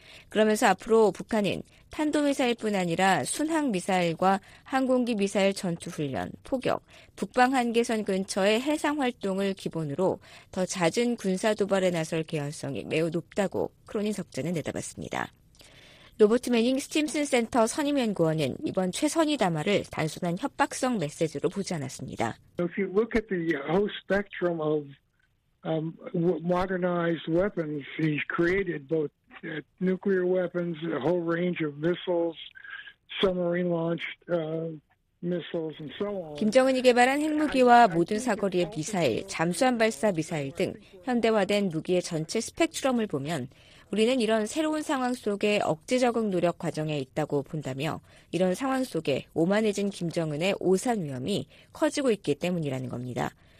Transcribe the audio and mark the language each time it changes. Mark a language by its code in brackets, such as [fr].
[ko] 그러면서 앞으로 북한은 탄도미사일뿐 아니라 순항미사일과 항공기 미사일 전투훈련, 폭격, 북방한계선 근처의 해상활동을 기본으로 더 잦은 군사도발에 나설 개연성이 매우 높다고 크로닌 석자는 내다봤습니다. 로버트 매닝 스팀슨 센터 선임연구원은 이번 최선희 담화를 단순한 협박성 메시지로 보지 않았습니다. [en] If you look at the whole spectrum of modernized weapons he created, both nuclear weapons, a whole range of missiles, submarine launched missiles, and so on. [ko] 김정은이 개발한 핵무기와 모든 사거리의 미사일, 잠수함 발사 미사일 등 현대화된 무기의 전체 스펙트럼을 보면 우리는 이런 새로운 상황 속에 억제 적응 노력 과정에 있다고 본다며 이런 상황 속에 오만해진 김정은의 오산 위험이 커지고 있기 때문이라는 겁니다.